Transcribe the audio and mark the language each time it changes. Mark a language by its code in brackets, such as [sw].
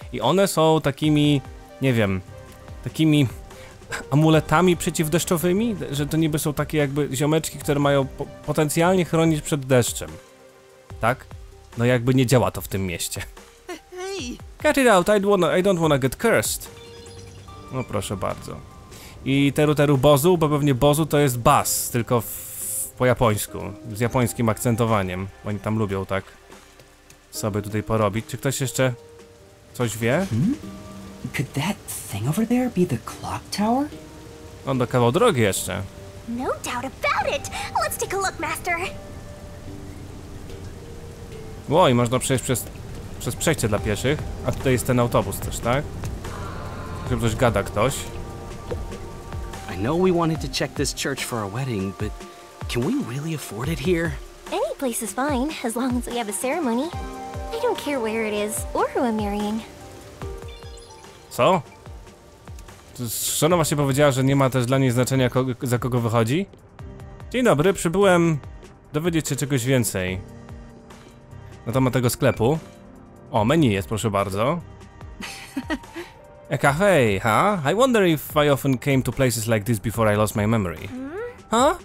[pl] I one są takimi, nie wiem, takimi amuletami przeciwdeszczowymi, że to niby są takie jakby ziomeczki, które mają potencjalnie chronić przed deszczem. Tak? No jakby nie działa to w tym mieście. Hej, [en] Cut it out, I don't wanna get cursed. [pl] No proszę bardzo. I teru teru bozu, bo pewnie bozu to jest bas, tylko po japońsku. Z japońskim akcentowaniem. Oni tam lubią tak sobie tutaj porobić. Czy ktoś jeszcze coś wie? [en] Could that thing over there be the clock tower? [pl] On do kawał drogi jeszcze. [en] No doubt about it. Let's take a look, master. [pl] Ło, i można przejść przez przejście dla pieszych. A tutaj jest ten autobus też, tak? Chyba coś gada ktoś. [en] I know we wanted to check this church for our wedding, but can we really afford it here? Any place is fine, as long as we have a ceremony. I don't care where it is or who I'm marrying. [pl] Co? Szanowna się powiedziała, że nie ma też dla niej znaczenia, za kogo wychodzi? Dzień dobry, przybyłem dowiedzieć się czegoś więcej na temat tego sklepu. O, menu jest, proszę bardzo. [en] A cafe, huh? I wonder if I often came to places like this before I lost my memory. Huh?